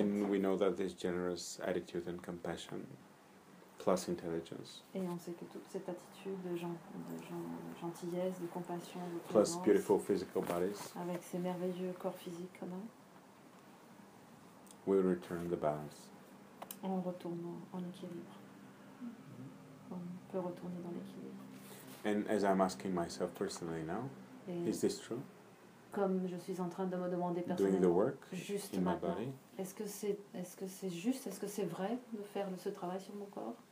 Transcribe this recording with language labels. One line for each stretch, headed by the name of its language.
English: and we know that this generous attitude and compassion plus intelligence.
French: Et on sait que toute cette attitude de gentillesse, de compassion, de
English: plus présence, beautiful physical bodies,
French: avec ces merveilleux corps physiques, comme
English: will return the balance.
French: On retourne en équilibre. On peut retourner dans l'équilibre.
English: And as I'm asking myself personally now, et is this true?
French: Comme je suis en train de me demander personnellement,
English: doing the work
French: juste
English: in my body,
French: est-ce que c'est juste, est-ce que c'est vrai de faire ce travail sur mon corps?